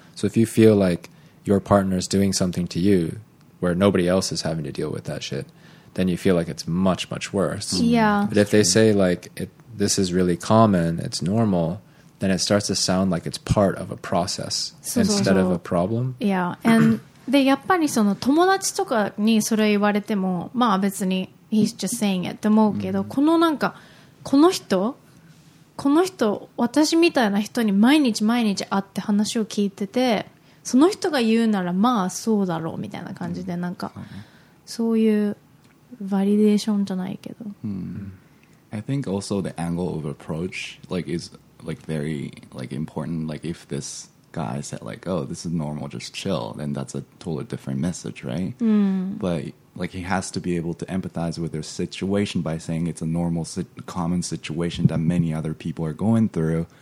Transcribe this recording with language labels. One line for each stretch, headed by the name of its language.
English: So if you feel like your partner is doing something to youwhere nobody else is having to deal with that shit, then you feel like it's much, much worse. Yeah. But if they say, like, this is really common, it's normal, then it starts to sound like it's part of a process instead of a problem. Yeah.
Japanese: And, で、やっぱりその友達とかにそれ言われても、まあ別に
English: he's just saying it
Japanese: って思うけど、このなんか、この人、私みたいな人に毎日毎日会って話を聞いてて、その人が言うならまあそうだろうみたいな感じでなんかそういうバリデーションじゃないけど、
English: I think also the angle of approach like is like very like important. Like if this guy said like, oh, this is normal, just chill, then that's a totally different message, right? But like he has to be able to empathize with their situation by saying it's a normal common situation that many other people are going through.